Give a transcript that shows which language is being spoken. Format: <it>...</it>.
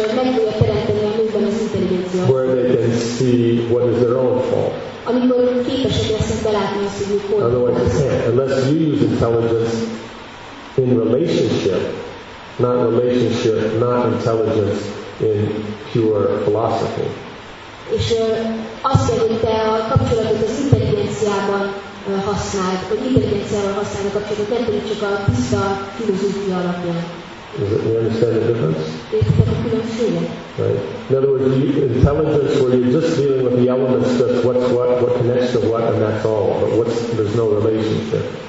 <en>Where they can see what is their own fault. Otherwise they can't. Unless you use intelligence in relationship, not relationship, not intelligence in pure philosophy.</en> <hu>És azt kell, hogy te a kapcsolatot az intelligenciában használd, hogy intelligenciával használd a kapcsolatot, nem pedig csak a tiszta filozófia alapján.</hu> <en>Is it, you understand the difference? Right. In other words, you, intelligence where you're just dealing with the elements, just what's what connects to what, and that's all. But what's, there's no relationship.</en>